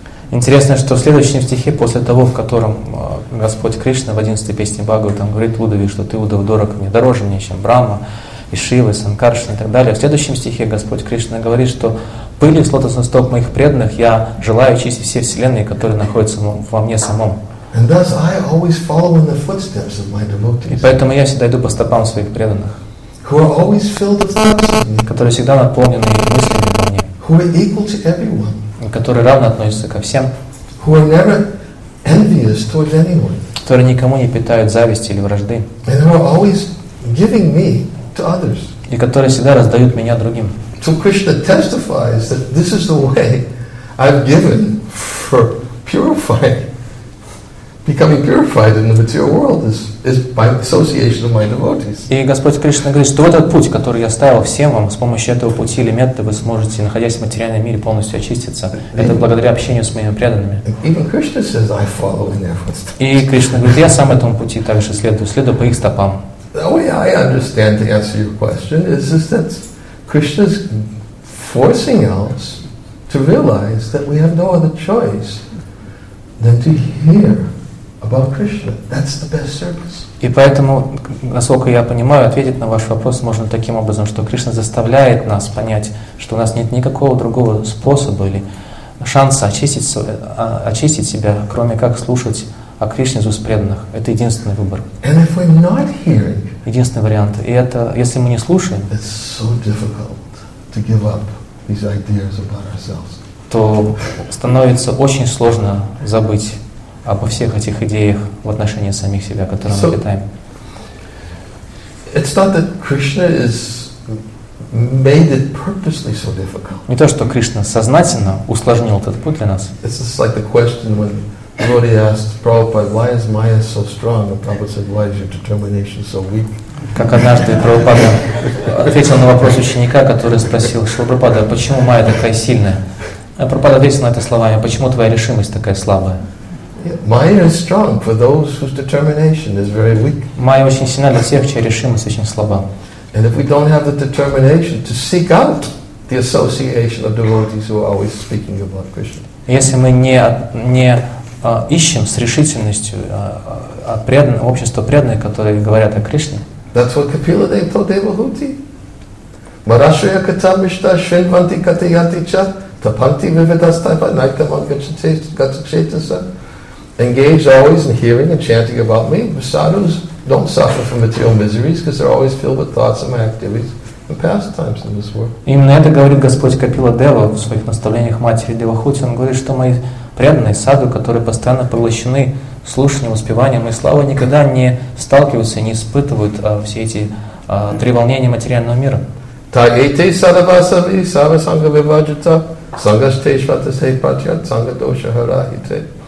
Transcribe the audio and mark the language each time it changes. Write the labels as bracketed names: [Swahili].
[Russian] Интересно, что в следующем стихе, после того, в котором Господь Кришна в 11-й песне Бхагаватам говорит Удаве, что ты, Удав, дорог мне, дороже мне, чем Брама, и Шива, и Санкаршна, и так далее, в следующем стихе Господь Кришна говорит, что пыли с лотосных стоп моих преданных я желаю очистить все вселенные, которые находятся во мне самом. [English] And thus I always follow in the footsteps of my devotees. [Russian] И поэтому я всегда иду по стопам своих преданных. [English] Who are always filled with thoughts of me. [Russian] Которые всегда наполнены мыслями обо мне. [English] Who are equal to everyone. [Russian] Которые равно относятся ко всем. [English] who are never envious towards anyone. [Russian] Которые никому не питают зависти или вражды. [English] And who are always giving me to others. [Russian] И которые всегда раздают меня другим. [English] So Krishna testifies that this is the way I've given for purifying. Becoming purified in the material world is by association of my devotees. [Russian] И Господь Кришна говорит, что этот путь, который я оставил всем вам, с помощью этого пути или метода вы сможете, находясь в материальном мире, полностью очиститься. Это благодаря общению с моими преданными. [English] Even Krishna says, I follow in their footsteps. [Russian] И Кришна говорит, я сам этому пути также следую, следую по их стопам. [English] The way I understand to answer your question is that Krishna's forcing us to realize that we have no other choice than to hear. About Krishna. That's the best service. [Russian] И поэтому, насколько я понимаю, ответить на ваш вопрос можно таким образом, что Кришна заставляет нас понять, что у нас нет никакого другого способа или шанса очистить себя, кроме как слушать о Кришне из уст преданных. Это единственный выбор. [English] And if we're not hearing, [Russian] единственный вариант. И это, если мы не слушаем, [English] it's so difficult to give up these ideas about ourselves. [Russian] То становится очень сложно забыть обо всех этих идеях в отношении самих себя, которые мы питаем. [English] It's not that Krishna is made it purposely so difficult. [Russian] Не то, что Кришна сознательно усложнил этот путь для нас. [English] It's just like the question when Lord asked Prabhupada, why is Maya so strong? And Prabhupada said, why is your determination so weak? [Russian] Как однажды Прабхупада ответил на вопрос ученика, который спросил, Шрила Прабхупада, почему Майя такая сильная? А Прабхупада ответил на это словами, почему твоя решимость такая слабая? [English] Maya is strong for those whose determination is very weak. [Russian] Майя очень сильна для тех, чья решимость очень слаба. [English] And if we don't have the determination to seek out the association of devotees who are always speaking about Krishna. [Russian] Если мы не ищем с решительностью общество преданных, которые говорят о Кришне. [English] That's what Kapila Dev told Devahuti. [Sanskrit] Marashaya katamishta shenvanti katayati cha tapanti vividastaipa naitamangachetasa. [English] Engaged always in hearing and chanting about me. Sadhus don't suffer from material miseries because they're always filled with thoughts of my activities and pastimes in this world. [Russian] Именно это говорит Господь Капила Дева в своих наставлениях матери Девахути. Он говорит, что мои преданные садху, которые постоянно поглощены слушанием, успеванием и славой, никогда не сталкиваются и не испытывают все эти три волнения материального мира. [Sanskrit] Тагейте садавасави савасанга вибаджита сангаште шватасе патьят санга доша харахите.